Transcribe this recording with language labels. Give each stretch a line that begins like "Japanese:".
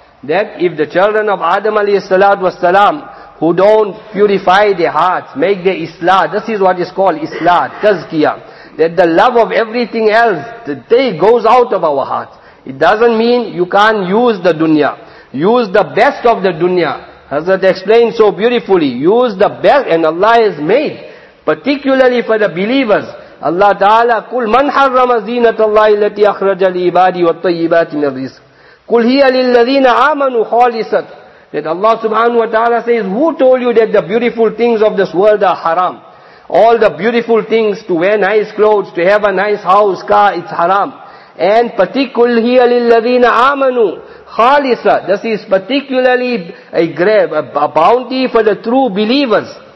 English: That if the children of Adam alayhi salatu was salam, who don't purify their hearts, make their islah, this is what is called islah, tazkiyah, that the love of everything else, the day goes out of our hearts. It doesn't mean you can't use the dunya. Use the best of the dunya. Hazrat explained so beautifully. Use the best, and Allah has made, particularly for the believers.
Arabic: Allah Ta'ala, قُلْ مَنْ حَرَّمَ زِينَةَ اللَّهِ الَّتِي أَخْرَجَ لِعِبَادِي وَالطَّيِّبَاتِ مِنَ الرِّزْقِ قُلْ هِيَ لِلَّذِينَ آمَنُوا خَالِصَةً.
English: That Allah Subhanahu wa Ta'ala says, who told you that the beautiful things of this world are haram? All the beautiful things, to wear nice clothes, to have a nice house, car, it's haram. And particularly here,
Arabic: لِلَّذِينَ آمَنُوا خَالِصَةً.
English: This is particularly a bounty for the true believers.